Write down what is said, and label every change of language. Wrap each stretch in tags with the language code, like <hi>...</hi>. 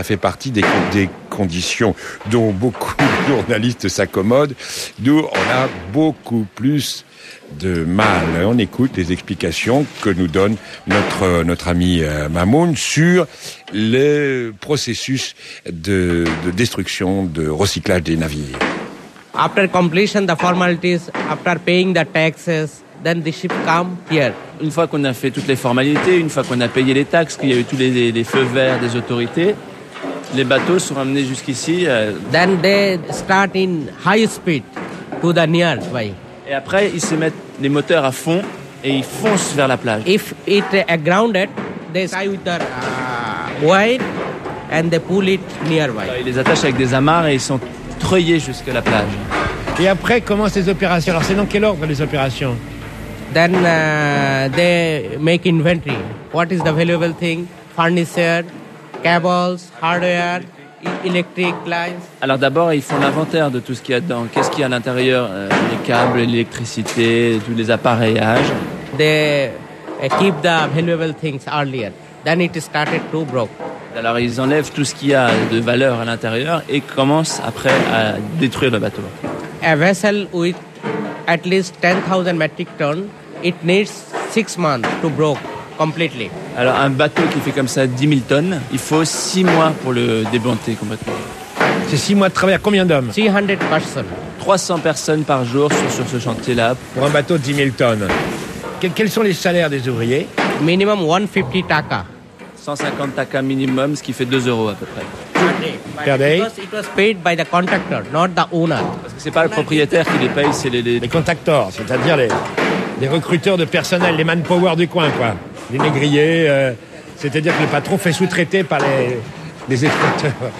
<fr>Ça fait partie des conditions dont beaucoup de journalistes s'accommodent. Nous, on a beaucoup plus de mal. On écoute les explications que nous donne notre ami Mamoun sur le processus de destruction, de recyclage des navires.</fr> <en>After completion the formalities, after paying the taxes, then the ship come here.</en> <fr>Une fois qu'on a fait toutes les formalités, une fois qu'on a payé les taxes, qu'il y a eu tous les feux verts des autorités, les bateaux sont ramenés jusqu'ici.</fr> <en>Then they start in high speed to the near way.</en> <fr>Et après, ils se mettent les moteurs à fond et ils foncent vers la plage.</fr> <en>If it is grounded, they tie with their wire and they pull it nearby.</en> <fr>Ils les attachent avec des amarres et ils sont treuillés jusqu'à la plage. Et après, comment ces opérations? Alors, c'est dans quel ordre les opérations?</fr> <en>Then they make inventory. What is the valuable thing? Furniture, cables, hardware.</en> <fr>Alors d'abord, ils font l'inventaire de tout ce qu'il y a dedans. Qu'est-ce qu'il y a à l'intérieur? Les câbles, l'électricité, tous les appareillages.</fr> <en>They keep the valuable things earlier. Then it started to broke.</en> <fr>Alors ils enlèvent tout ce qu'il y a de valeur à l'intérieur et commencent après à détruire le bateau.</fr> <en>a vessel with at least 10,000 metric tons, it needs 6 months to broke completely.</en> <fr>Alors, un bateau qui fait comme ça 10 000 tonnes, il faut 6 mois pour le démonter complètement. C'est 6 mois de travail. À combien d'hommes? 300 personnes. 300 personnes par jour sur ce chantier-là. Pour un bateau de 10 000 tonnes. Quels sont les salaires des ouvriers?</fr> <en>Minimum 150 taka.</en> <fr>150 taka minimum, ce qui fait 2 euros à peu près.</fr> <en>Per day. Because it was paid by the contractor, not the owner.</en> <fr>Parce que c'est pas le propriétaire qui les paye, c'est les contractors, c'est-à-dire les recruteurs de personnel, les manpower du coin, quoi. Les négriers, c'est-à-dire que le patron fait sous-traiter par les exploiteurs.</fr>